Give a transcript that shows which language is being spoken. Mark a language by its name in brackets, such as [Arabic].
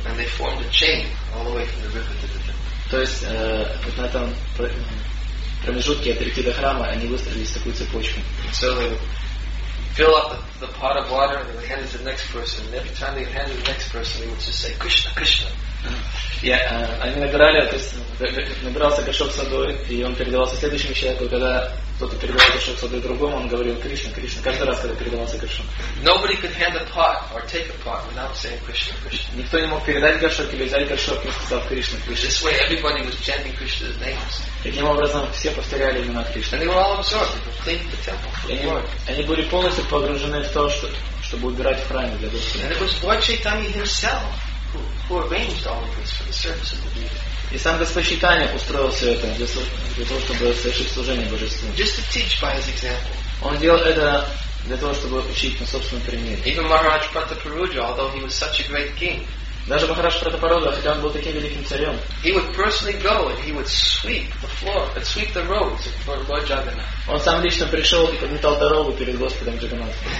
[English] And they formed a chain all the way from the river to the temple. [Russian] То есть вот на этом промежутке от реки до храма они выстроились в такую цепочку. [English] So they would fill up the pot of water and hand it to the next person. And every time they hand it to the next person, they would just say, Krishna, Krishna. [Russian] Они набирали, то есть набирался горшок с водой, и он передавался следующему человеку. Когда кто-то передавал горшок с водой другому, он говорил, Кришна, Кришна, каждый раз, когда передавался горшок. [English] Nobody could hand a pot or take a pot without saying Krishna, Krishna. [Russian] Никто не мог передать горшок или взять горшок, не сказав Кришна, Кришна. [English] This way everybody was chanting Krishna's names. [Russian] Таким образом, все повторяли имена Кришны. [English] And they were all absorbed, they were cleaning the temple for the Lord. [Russian] Они были полностью погружены в то, чтобы убирать в храме для Господа. [English] And it was Lord Chaitanya himself who arranged all of this for the service of the deity. [Russian] И сам Господь Чайтанья устроил все это для того, чтобы совершить служение Божеству. [English] Just to teach by his example. [Russian] Он делал это для того, чтобы учить на собственном примере. [English] Even Maharaj Prataparudra, although he was such a great king, [Russian] даже Махараш Пратапаруджа, хотя он был таким великим царем, [English] he would personally go and he would sweep the floor and sweep the roads for Lord Jagannath. [Russian] Он сам лично пришел и подметал дорогу перед Господом Джаганнатхом.